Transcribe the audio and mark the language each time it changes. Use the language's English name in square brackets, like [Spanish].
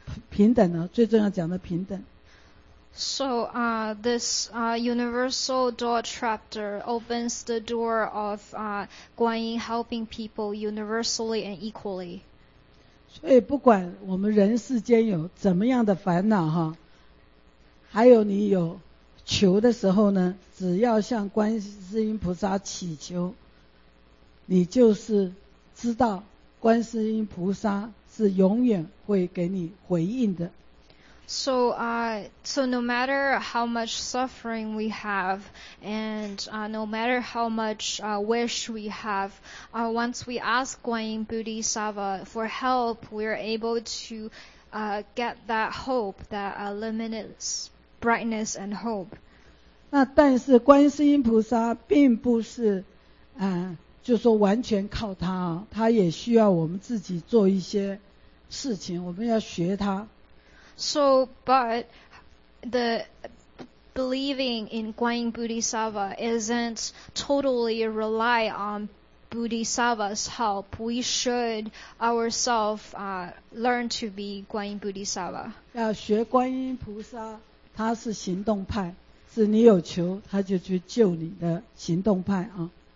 [Chinese] 那我们普门品呢？等一下再讲这个。我们普门品呢，向大，就是说向大家打开观世音菩萨普遍平等的慈悲大门，平等呢，最重要讲的平等。 [English] So this universal door chapter opens the door of Guan Yin helping people universally and equally. [Chinese] 所以不管我们人世间有怎么样的烦恼哈，还有你有求的时候呢，只要向观世音菩萨祈求，你就是知道观世音菩萨是永远会给你回应的。 [English] So no matter how much suffering we have, and no matter how much wish we have, once we ask Guanyin Bodhisattva for help, we are able to get that hope, that limitless brightness and hope. [Chinese] 那但是观世音菩萨并不是就说完全靠他，他也需要我们自己做一些事情，我们要学他。 [English] So, but the believing in Guanyin Bodhisattva isn't totally rely on Bodhisattva's help. We should ourselves learn to be Guanyin Bodhisattva. [Chinese] 要学观音菩萨，他是行动派，是你有求他就去救你的行动派啊。